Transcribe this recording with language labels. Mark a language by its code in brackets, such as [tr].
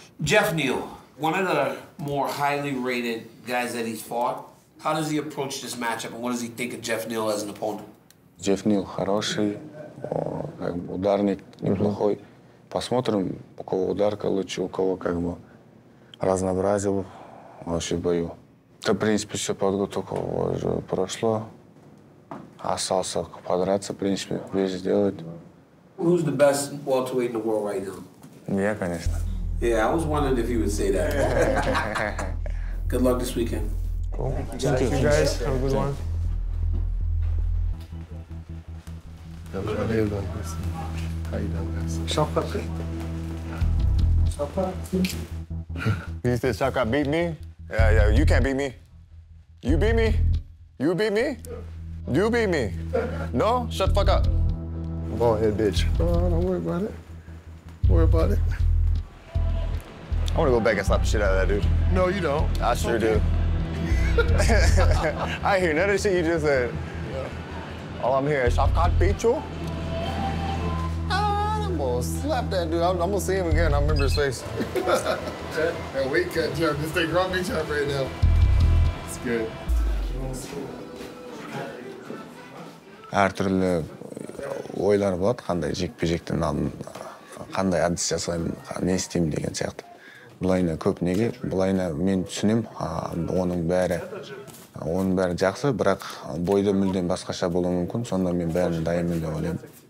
[en] Geoff Neal, one of the more highly rated guys that he's fought. How does he approach this matchup and what does he think of Geoff Neal as an opponent? [ru] Geoff Neal хороший, как бы ударник неплохой. Посмотрим, у кого ударка лучше, у кого как бы разнообразил вообще бою. Да, в принципе, все подготовка уже прошла. Остался подраться, в принципе, весь сделать. [en] Who's the best welterweight in the world right now? [ru] Я, конечно. [en] Yeah, I was wondering if you would say that. Good luck this weekend. Cool. Thank you. Thank you, guys. Have a good one. Shavkat. He said, Shavkat, beat me? Yeah, you can't beat me. You beat me? You beat me? You beat me? No? Shut the fuck up. Go ahead, bitch. Don't worry about it. Don't worry about it. I want to go back and slap the shit out of that dude. No, you don't. I sure okay. do. I hear none of the shit you just said. Yeah. All I'm hearing is Shavkat beat you? Slap that dude. I'm gonna see him again. I remember his face. And we can't jump. This thing grumpy each other right now. It's good. [kk] Әртүрлі ойлар болады, қандай жекпе-жектен алдын, қандай әдіс жасаймын, не істеймін деген сияқты. Бұлайына көп неге, бұлайына мен түсінем, оның бәрі жақсы, бірақ бойда мүлден басқаша болуы мүмкін, сонда мен бәрін дайынмын деп ойлаймын.